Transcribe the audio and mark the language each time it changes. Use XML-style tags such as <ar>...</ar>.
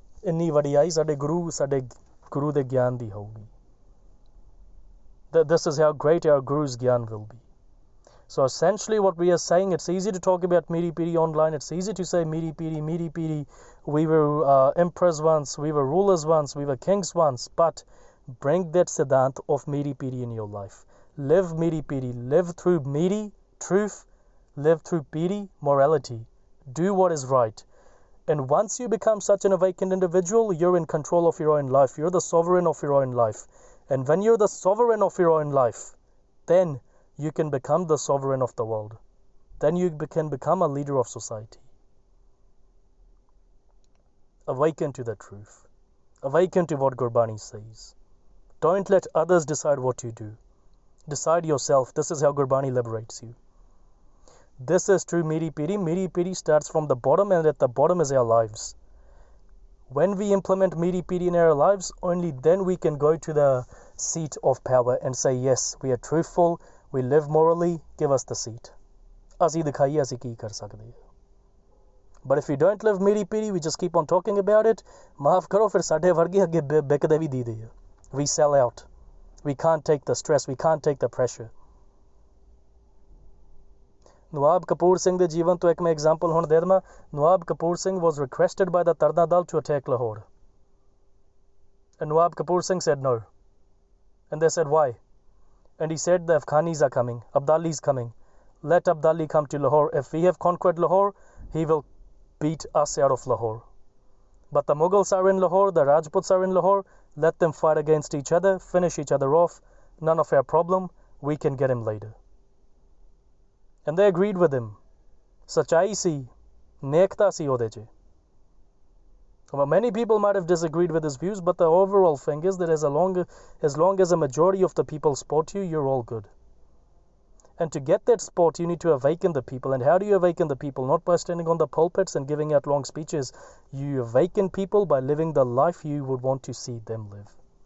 <pa>ਇੰਨੀ ਵੱਡੀ ਆਈ ਸਾਡੇ ਗੁਰੂ ਦੇ ਗਿਆਨ ਦੀ ਹੋਊਗੀ</pa> <en>This is how great your gurus gyan will be so essentially what we are saying it's easy to talk about Miri Piri online it's easy to say Miri Piri we were empress once we were rulers once we were kings once but bring that siddhant of Miri Piri in your life live Miri Piri live through Miri truth live through Piri morality do what is right And once you become such an awakened individual, you're in control of your own life. You're the sovereign of your own life. And when you're the sovereign of your own life, then you can become the sovereign of the world. Then you can become a leader of society. Awaken to the truth. Awaken to what Gurbani says. Don't let others decide what you do. Decide yourself. This is how Gurbani liberates you. This is true Miri-Piri. Miri-Piri starts from the bottom and at the bottom is our lives. When we implement Miri-Piri in our lives, only then we can go to the seat of power and say, yes, we are truthful, we live morally, give us the seat.</en> <pa>Asi dikhaiye asi ki kar sakde.</pa> <en>But if we don't live Miri-Piri, we just keep on talking about it.</en> <pa>Maaf karo, fir sade vargi agge bekde vi dide.</pa> <en>We sell out. We can't take the stress, we can't take the pressure.</en> <pa>ਨਵਾਬ ਕਪੂਰ ਸਿੰਘ ਦੇ ਜੀਵਨ ਤੋਂ ਇੱਕ ਮੈਂ example ਹੁਣ ਦੇ ਦੇਵਾਂ ਨਵਾਬ ਕਪੂਰ ਸਿੰਘ</pa> <en>Was requested by the Tarna Dal to attack Lahore Nawab Kapur Singh said no and they said why and he said the Afghanis are coming Abdali is coming let Abdali come to Lahore if we have conquered Lahore he will beat us out of Lahore but the Mughals are in Lahore the Rajputs are in Lahore let them fight against each other finish each other off none of our problem we can get him later And they agreed with him.</en> <pa>ਸੱਚਾਈ ਸੀ, ਨੇਕਤਾ ਸੀ ਉਹਦੇ 'ਚ.</pa> <en>But many people might have disagreed with his views, but the overall thing is that as long as a majority of the people support you, you're all good. And to get that support, you need to awaken the people. And how do you awaken the people? Not by standing on the pulpits and giving out long speeches. You awaken people by living the life you would want to see them live.</en>